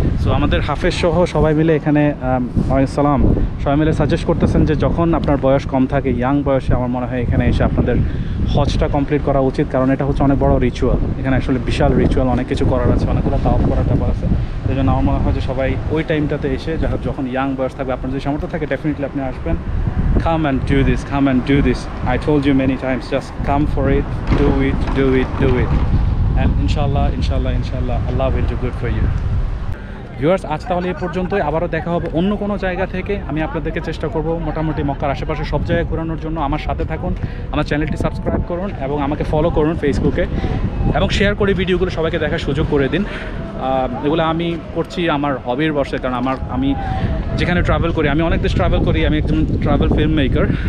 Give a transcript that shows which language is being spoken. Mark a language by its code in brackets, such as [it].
[bn] So আমাদের হাফেজ সহ সবাই মিলে এখানে আসসালাম সবাই মিলে সাজেস্ট করতেছেন যে যখন আপনার বয়স কম থাকে, ইয়াং বয়সে আমার মনে হয় এখানে এসে আপনাদের হজটা কমপ্লিট করা উচিত, কারণ এটা হচ্ছে অনেক বড়ো রিচুয়াল, এখানে আসলে বিশাল রিচুয়াল, অনেক কিছু করার আছে, অনেকগুলো তাওয়াফ করার ব্যাপার আছে। সেই জন্য আমার মনে হয় যে সবাই ওই টাইমটাতে এসে যখন ইয়াং বয়স থাকবে, আপনার যদি সামর্থ্য থাকে ডেফিনেটলি আপনি আসবেন। [en] Come and do this, come and do this. I told you many times, just come for it, do it, do it, do it. And inshallah, inshallah, inshallah, Allah will do good for you. [bn] Viewers, আজ তাহলে এ পর্যন্তই, আবারও দেখা হবে অন্য কোনো জায়গা থেকে। আমি আপনাদেরকে চেষ্টা করবো মোটামুটি মক্কার আশেপাশে সব জায়গায় ঘোরানোর জন্য। আমার সাথে থাকুন, আমার চ্যানেলটি সাবস্ক্রাইব করুন এবং আমাকে ফলো করুন ফেসবুকে, এবং শেয়ার করে ভিডিওগুলো সবাইকে দেখার সুযোগ করে দিন। এগুলো আমি করছি আমার হবির বসে, কারণ আমার আমি যেখানে ট্রাভেল করি, আমি অনেক দেশ ট্রাভেল করি, আমি একজন ট্রাভেল ফিল্ম মেকার।